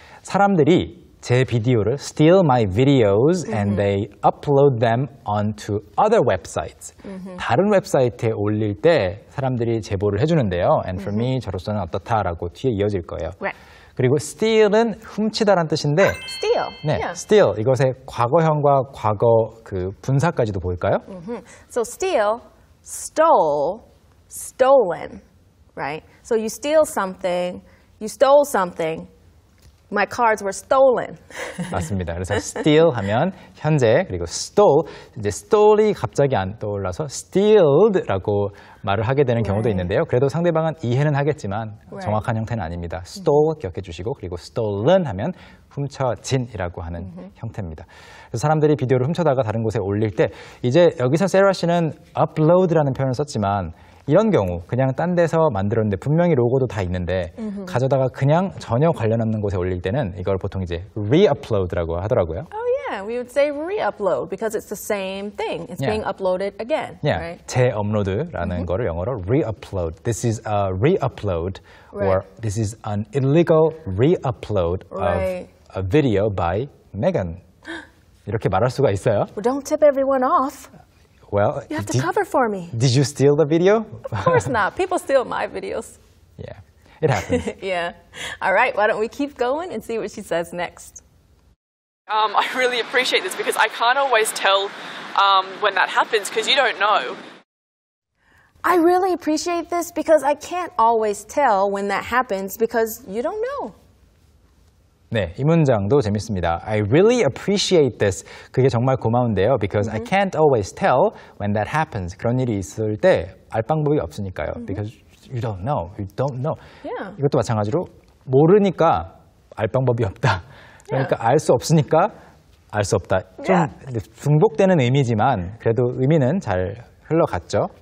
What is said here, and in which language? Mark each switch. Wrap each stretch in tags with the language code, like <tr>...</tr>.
<ko>사람들이 제 비디오를</ko> <en>steal my videos and they upload them onto other websites.</en> <ko>다른 웹사이트에 올릴 때 사람들이 제보를 해주는데요.</ko> <en>And for me</en> <ko>저로서는 어떻다라고 뒤에 이어질 거예요.</ko> <en>Right.</en> <ko>그리고 steal은 훔치다라는 뜻인데</ko> <en>steal.</en> <ko>네,</ko> <en>yeah. steal.</en> <ko>이것의 과거형과 과거 그 분사까지도 볼까요?</ko> <en>So steal, stole, stolen. Right? So you steal something, you stole something, My cards were stolen.</en> <ko>맞습니다. 그래서 steal 하면 현재 그리고 stole 이제 stole이 갑자기 안 떠올라서 stealed라고 말을 하게 되는 경우도 right. 있는데요. 그래도 상대방은 이해는 하겠지만 right. 정확한 형태는 아닙니다. stole 기억해 주시고 그리고 stolen 하면 훔쳐진이라고 하는 mm-hmm. 형태입니다. 그래서 사람들이 비디오를 훔쳐다가 다른 곳에 올릴 때 이제 여기서 세라 씨는 upload라는 표현을 썼지만 이런 경우 그냥 딴 데서 만들었는데 분명히 로고도 다 있는데 mm-hmm. 가져다가 그냥 전혀 관련 없는 곳에 올릴 때는 이걸 보통 이제 re-upload라고 하더라고요.</ko> <en>Oh yeah, we would say re-upload because it's the same thing. It's yeah. being uploaded again. Yeah, right?</en> <ko>재업로드라는 mm-hmm. 거를 영어로 re-upload.</ko> <en>This is a re-upload right. or this is an illegal re-upload of right. a video by Megan.</en> <ko>이렇게 말할 수가 있어요.</ko> <en>Well, don't tip everyone off. Well, you have to cover for me. Did you steal the video? Of course not. People steal my videos. Yeah, it happens. yeah. All right, why don't we keep going and see what she says next. I really appreciate this because I can't always tell when that happens because you don't know. I really appreciate this because I can't always tell when that happens because you don't know.</en> <ko>네, 이 문장도 재밌습니다.</ko> <en>I really appreciate this.</en> <ko>그게 정말 고마운데요.</ko> <en>Because mm-hmm. I can't always tell when that happens.</en> <ko>그런 일이 있을 때 알 방법이 없으니까요.</ko> <en>Mm-hmm. Because you don't know. You don't know. Yeah.</en> <ko>이것도 마찬가지로 모르니까 알 방법이 없다. 그러니까 yeah. 알 수 없으니까 알 수 없다. 좀 yeah. 중복되는 의미지만 그래도 의미는 잘 흘러갔죠.</ko>